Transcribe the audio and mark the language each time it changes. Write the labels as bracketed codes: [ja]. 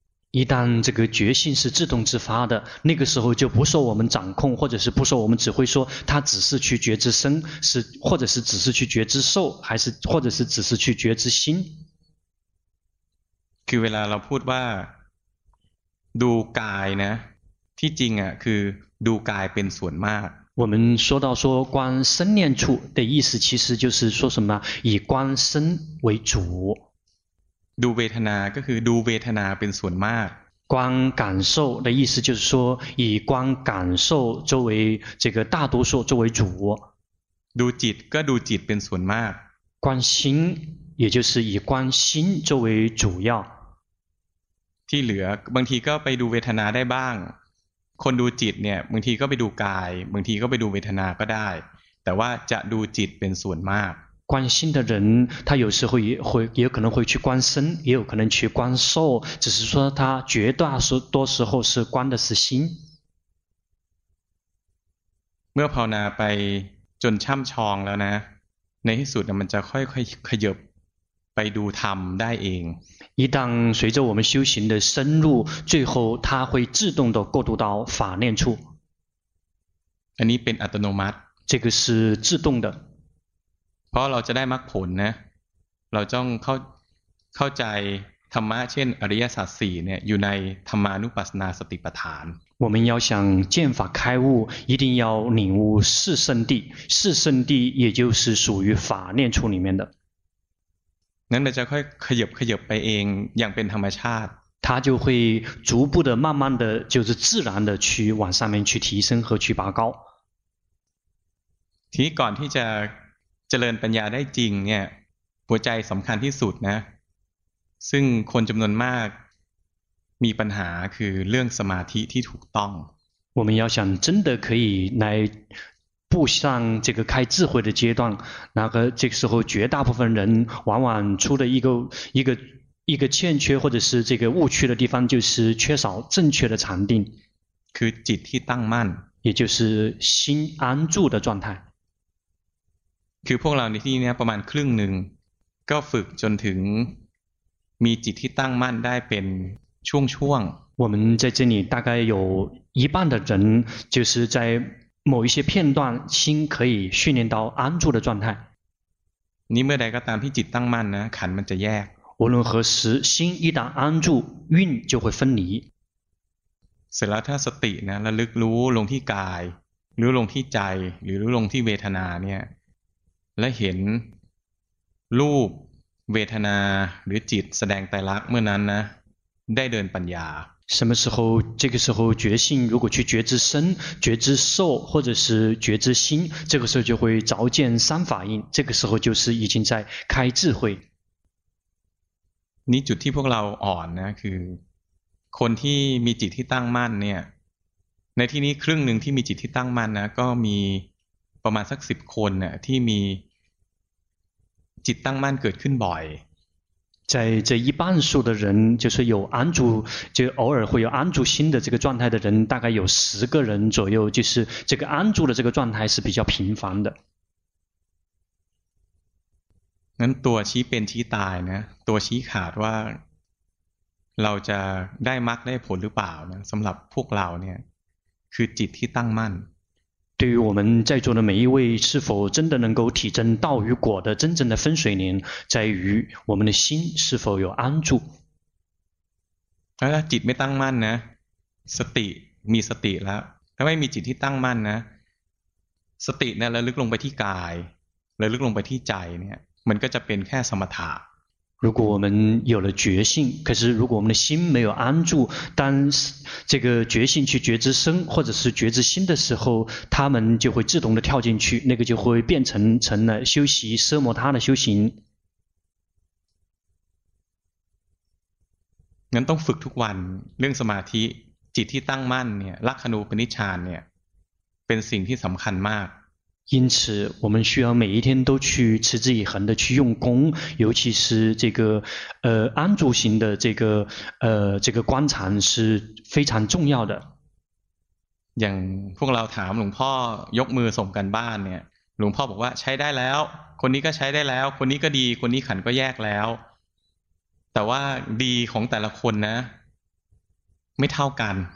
[zh] 一旦这个觉性是自动自发的那个时候就不受我们掌控或者是不受我们指挥说它只是去觉知身是或者是只是去觉知受还是或者是只是去觉知心 [th] คือเวลาเราพูดว่าดูกายนะที่จริงอ่ะคือดูกายเป็นส่วนมาก [zh] 我们说到说观身念处的意思其实就是说什么以观身为主 [th] ดูเวทนาก็คือดูเวทนาเป็นส่วนมาก [zh] 观感受的意思就是说以观感受作为这个大多数作为主 [th] ดูจิตก็ดูจิตเป็นส่วนมาก [zh] 观心也就是以观心作为主要 [th] ที่เหลือบางทีก็ไปดูเวทนาได้บ้างคนดูจิตเนี่ยบางทีก็ไปดูกายบางทีก็ไปดูเวทนาก็ได้แต่ว่าจะดูจิตเป็นส่วนมาก [zh] 观心的人他有时候也可能会去观身也有可能去观受只是说他绝大多时候是观的是心 [th] เมื่อภาวนาไปจนช่ำชองแล้วนะในที่สุดมันจะค่อยๆขยับไปดูธรรมได้เอง [zh] 一旦随着我们修行的深入最后它会自动的过渡到法念处 [th] อันนี้เป็นอัตโนมัติ [zh] 这个是自动的 [th] เพราะเราจะได้มรรคผลนะเราต้องเข้าใจธรรมะเช่นอริยสัจ4เนี่ยอยู่ในธรรมานุปัสสนาสติปัฏฐาน [zh] 我们要想见法开悟一定要领悟四圣谛四圣谛也就是属于法念处里面的 [th] นั้นจะค่อยขยับไปเองอย่างเป็นธรรมชาติ [zh] 它就会逐步的慢慢的就是自然的去往上面去提升和去拔高 [th] ทีก่อนที่จะเจริญปัญญาได้จริงเนี่ยหัวใจสำคัญที่สุดนะซึ่งคนจำนวนมากมีปัญหาคือเรื่องสมาธิที่ถูกต้อง [zh] 我们要想真的可以来步上这个开智慧的阶段，那个这个时候，绝大部分人往往出的一个欠缺或者是这个误区的地方，就是缺少正确的禅定。 [th] คือจิตที่ตั้งมั่น [zh] 也就是心安住的状态。 [th] คือพวกเราในที่นี้ประมาณครึ่งนึงก็ฝึกจนถึงมีจิตที่ตั้งมั่นได้เป็นช่วงช่วง [zh] 我们在这里大概有一半的人就是在某一些片段心可以训练到安住的状态 [th] นี่เมื่อใดก็ตามที่จิตตั้งมั่นนะขันธ์มันจะแยก [zh] 无论何时心一旦安住运就会分离 [th] เสร็จแล้วถ้าสตินะระลึกรู้ลงที่กายหรือลงที่ใจหรือรู้ลงที่เวทนาเนี่ยและเห็นรูปเวทนาหรือจิตแสดงไตรลักษณ์เมื่อนั้นนะได้เดินปัญญา [zh] 什么时候这个时候觉性如果去觉知身觉知受或者是觉知心这个时候就会着见三法印这个时候就是已经在开智慧 [th] นี่จุดที่พวกเราอ่อนนะคือคนที่มีจิตที่ตั้งมั่นเนี่ยในที่นี้ครึ่งหนึ่งที่มีจิตที่ตั้งมั่นนะก็มีประมาณสักสิบคนเนี่ยที่มีจิตตั้งมั่นเกิดขึ้นบ่อย [zh] 在这一半数的人就是有安住就偶尔会有安住心的这个状态的人大概有十个人左右就是这个安住的这个状态是比较频繁的 [th] นั้นตัวชี้เป็นชี้ตายนะตัวชี้ขาดว่าเราจะได้มรรคได้ผลหรือเปล่านะสำหรับพวกเราเนี่ยคือจิตที่ตั้งมั่น [zh] 对于我们在座的每一位是否真的能够体证道与果的真正的分水岭在于我们的心是否有安住 [th] แล้วจิตไม่ตั้งมั่นนะสติมีสติแล้วถ้าไม่มีจิตที่ตั้งมั่นนะสติเนี่ยระลึกลงไปที่กายระลึกลงไปที่ใจเนี่ยมันก็จะเป็นแค่สมถะ [zh] 如果我们有了觉性可是如果我们的心没有安住当这个觉性去觉知身或者是觉知心的时候他们就会自动的跳进去那个就会变成了修习奢摩他的修行 [th] งั้นต้องฝึกทุกวันเรื่องสมาธิจิตที่ตั้งมั่นเนี่ยลักขณูปนิชฌานเนี่ยเป็นสิ่งที่สำคัญมาก [zh] 因此我们需要每一天都去持之以恒的去用功尤其是这个安住型的这个观察是非常重要的 [th] อย่างพวกเราถามหลวงพ่อยกมือส่งกันบ้านเนี่ยหลวงพ่อบอกว่าใช้ได้แล้วคนนี้ก็ใช้ได้แล้วคนนี้ก็ดีคนนี้ขันก็แยกแล้วแต่ว่าดีของแต่ละคนนะไม่เท่ากัน